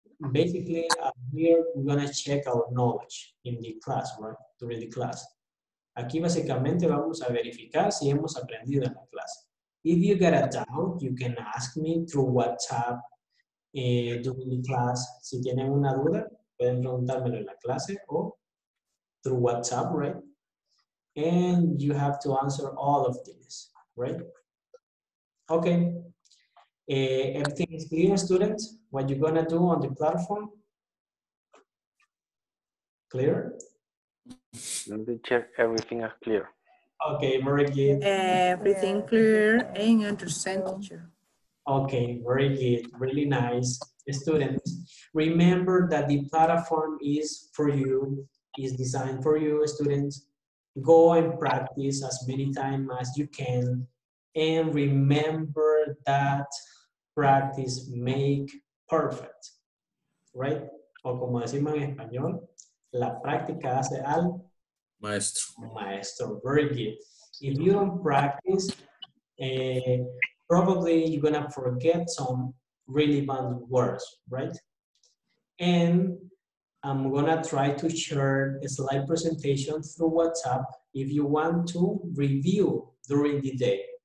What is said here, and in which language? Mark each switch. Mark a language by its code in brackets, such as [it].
[en] Basically, here we're gonna check our knowledge in the class, right? During the class. [es] Aquí básicamente vamos a verificar si hemos aprendido en la clase. [en] If you get a doubt, you can ask me through WhatsApp during the class. [es] Si tienen una duda, pueden preguntármelo en la clase o [en] through WhatsApp, right? And you have to answer all of this, right? Okay. Everything is clear, students? What you're gonna do on the platform? Clear? Let me check, everything is clear. Okay, very good. Everything clear and understand, teacher. Okay, very good, really nice. Students, remember that the platform is for you, is designed for you, students. Go and practice as many times as you can, and remember that practice make perfect, right? [es] O como decimos en español, la práctica hace al maestro. [en] Maestro, very good. If you don't practice, probably you're gonna forget some relevant words, right? And I'm gonna try to share a slide presentation through WhatsApp if you want to review during the day.